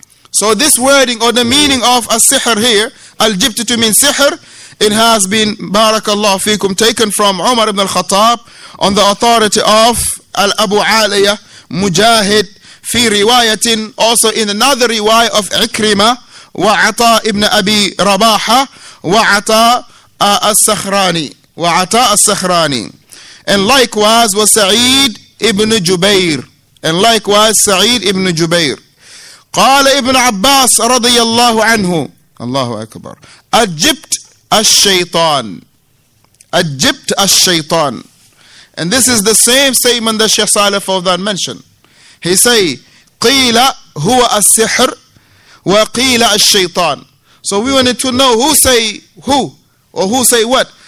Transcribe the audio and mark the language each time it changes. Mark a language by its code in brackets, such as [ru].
[en] So this wording or the meaning of as-sihr here, al-jibt to mean sihr, it has been, barakallahu fikum, taken from Umar ibn al-Khattab on the authority of al-Abu Aliya, Mujahid, fi riwayatin, also in another riwayat of Ikrima, wa'ata ibn Abi Rabaha, wa'ata al-Sakhrani, wa'ata al-Sakhrani. And likewise was Sa'id ibn Jubair, and likewise Sa'id ibn Jubair. [ar] قال ابن عباس رضي الله عنه الله أكبر أجبت الشيطان أجبت الشيطان. [en] And this is the same statement that Sheikh Salih Fawzan mentioned. He say [ar] قيل هو السحر وقيل الشيطان. [en] So we wanted to know who say who or who say what.